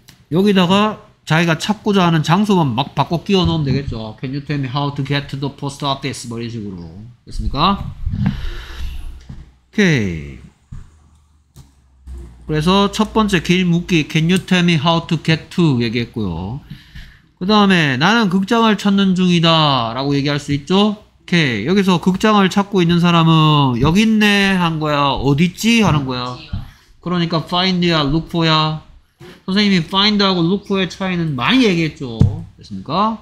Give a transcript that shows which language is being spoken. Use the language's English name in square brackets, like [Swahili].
[Korean] 여기다가 자기가 찾고자 하는 장소만 막 바꿔 끼워 넣으면 되겠죠. [English] Can you tell me how to get to the post office? [Korean] 뭐 이런 식으로. 됐습니까? 오케이. 그래서 첫 번째 길 묻기. [English] Can you tell me how to get to? [Korean] 얘기했고요. 그 다음에 나는 극장을 찾는 중이다 라고 얘기할 수 있죠. 오케이. 여기서 극장을 찾고 있는 사람은 여기 있네 한 거야, 어딨지 하는 거야. 그러니까 find야, look for야. 선생님이 find하고 look for의 차이는 많이 얘기했죠. 됐습니까?